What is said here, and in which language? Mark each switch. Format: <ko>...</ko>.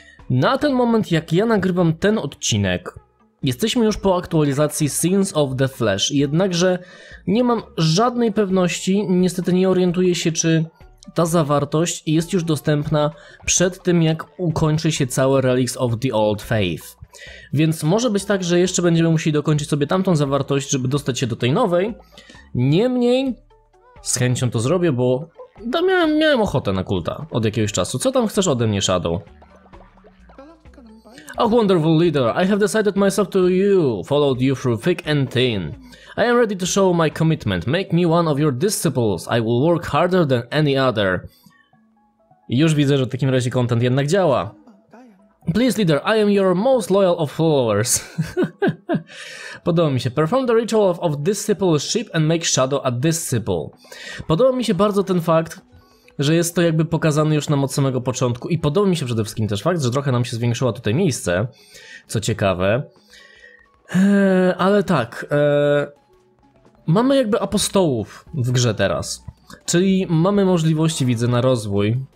<pl>Na ten moment, jak ja nagrywam ten odcinek, jesteśmy już po aktualizacji Sins of the Flesh, jednakże nie mam żadnej pewności, niestety nie orientuję się, czy ta zawartość jest już dostępna przed tym, jak ukończy się całe Relics of the Old Faith. Więc może być tak, że jeszcze będziemy musieli dokończyć sobie tamtą zawartość, żeby dostać się do tej nowej. Niemniej, z chęcią to zrobię, bo miałem ochotę na kulta od jakiegoś czasu. Co tam chcesz ode mnie, Shadow?</pl> <en>Oh, wonderful leader, I have decided myself to you, followed you through thick and thin. I am ready to show my commitment, make me one of your disciples, I will work harder than any other.</en> <pl>Już widzę, że w takim razie content jednak działa.</pl> <en>Please, leader, I am your most loyal of followers.</en> <pl>Podoba mi się.</pl> <en>Perform the ritual of discipleship and make Shadow a disciple.</en> <pl>Podoba mi się bardzo ten fakt, że jest to jakby pokazany już nam od samego początku. I podoba mi się przede wszystkim też fakt, że trochę nam się zwiększyło tutaj miejsce. Co ciekawe. Ale tak. Mamy jakby apostołów w grze teraz. Czyli mamy możliwości, widzę, na rozwój.</pl>